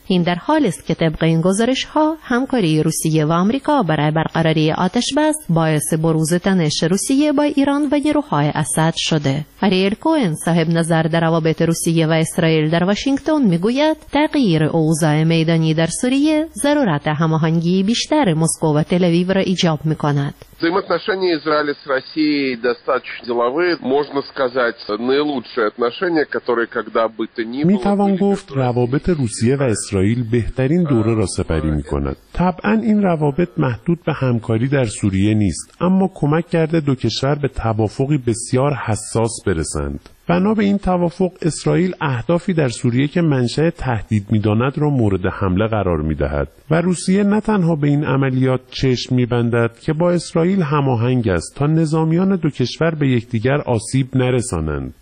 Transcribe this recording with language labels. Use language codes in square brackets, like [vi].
[fa] این در حالی است که طبق این گزارش ها همکاری روسیه و آمریکا برای برقراری آتش بس باعث بروز تنش روسیه با ایران و نیروهای اسد شده. آریل کوهن صاحب نظر در روابط روسیه و اسرائیل در واشنگتن میگوید تغییر اوضاع میدانی در سوریه ضرورت هماهنگی بیشتر مسکو و تل اویو را ایجاب میکند. [ru] Взаимоотношения Израиля с Россией достаточно деловые, можно сказать, наилучшие отношения, которые когда бы то ни было. [fa] می توان گفت روابط روسیه و اسرائیل بهترین دوره را سپری می‌کند. طبعاً این روابط محدود به همکاری در سوریه نیست، اما کمک کرده دو کشور به توافقی بسیار حساس برسند. بنا به این توافق اسرائیل اهدافی در سوریه که منشأ تهدید می‌داند را مورد حمله قرار می‌دهد و روسیه نه تنها به این عملیات چشم می‌بندد که با اسرائیل هماهنگ است تا نظامیان دو کشور به یکدیگر آسیب نرسانند.